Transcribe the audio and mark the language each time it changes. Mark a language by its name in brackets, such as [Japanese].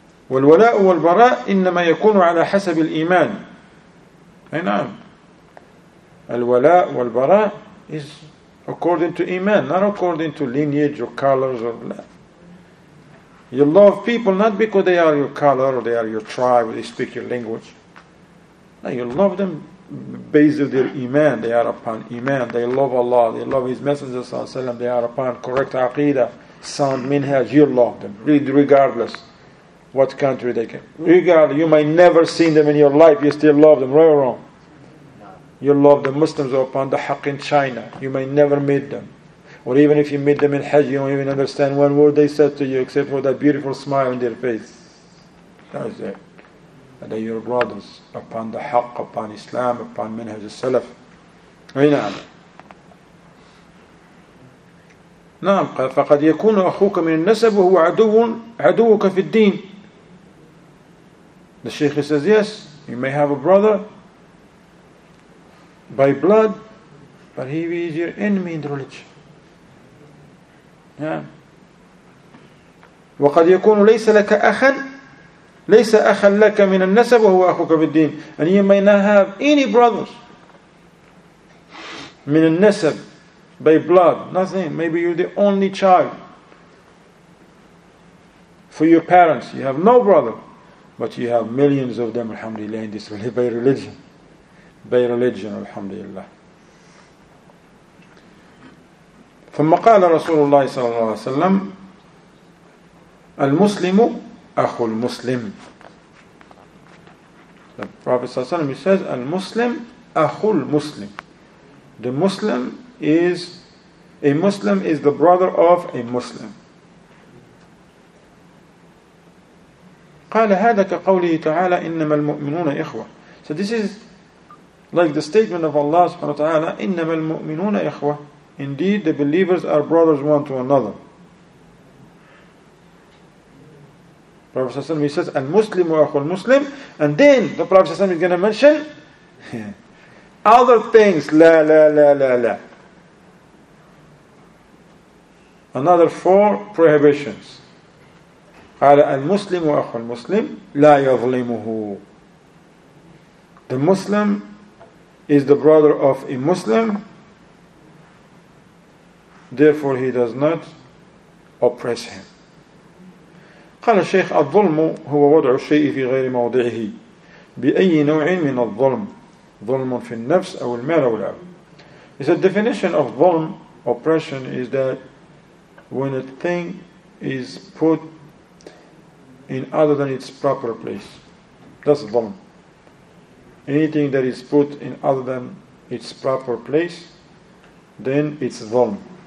[Arabic] والولاء والبراء إنما يكون على حسب الإيمان. أي نعم. [English] الولاء والبراء is according to إيمان, not according to lineage or colors or blood. You love people not because they are your color or they are your tribe or they speak your language. No, you love them based on their إيمان. They are upon إيمان. They love Allah. They love His Messenger [Arabic] صلى الله عليه وسلم. [English] They are upon correct عقيدة, sound minhaj. You love them regardless. What country they came. Regardless, you might never seen them in your life, you still love them, right or wrong? You love the Muslims upon the Haqq in China. You might never meet them. Or even if you meet them in Hajj, you don't even understand one word they said to you, except for that beautiful smile on their face. That is it. And they're your brothers upon the Haqq, upon Islam, upon Minhaj al-Salaf. Aynam. [Arabic] Naam, فَقَدْ يَكُونُ أَخُوكَ مِنَ النَّسَبُ هُوَ عَدُوُكَ فِي الدِّينِ. [English] The Sheikh says, yes, you may have a brother by blood, but he is your enemy in the religion. [Arabic] Yeah. وَقَدْ يَكُونُ لَيْسَ لَكَ أَخًا لَيْسَ أَخًا لَكَ مِنَ النَّسَبُ وَهُوَ أَخُكَ فِي الدِّينِ. [English] And you may not have any brothers [Arabic] من النسب [English] by blood, nothing. Maybe you're the only child for your parents. You have no brother. But you have millions of them, alhamdulillah, in this religion, by religion. By religion, alhamdulillah. [Arabic] ثم قال رسول الله صلى الله عليه وسلم المسلم أخو المسلم. [English] The Prophet [Arabic] صلى الله عليه وسلم [English] says [Arabic] المسلم أخو المسلم. [English] The Muslim is A Muslim is the brother of a Muslim. [Arabic] قال هذا كقوله تعالى إنما المؤمنون إخوة. [English] So this is like the statement of Allah subhanahu wa ta'ala, [Arabic] إنما المؤمنون إخوة. [English] Indeed, the believers are brothers one to another. Prophet ﷺ, he says, [Arabic] Al-Muslimu akhu al-Muslim. [English] And then the Prophet ﷺ is going to mention other things. [Arabic] La, la, la, la, la. [English] Another four prohibitions. [Arabic] قال المسلم أخو المسلم لا يظلمه. [English] The Muslim is the brother of a Muslim, therefore he does not oppress him. [Arabic] قال الشيخ الظلم هو وضع الشيء في غير موضعه بأي نوع من الظلم. ظلم في النفس أو المال أو العبد. [English] It's a definition of ظلم, oppression, is that when a thing is put in other than its proper place. That's dhulm. Anything that is put in other than its proper place, then it's dhulm.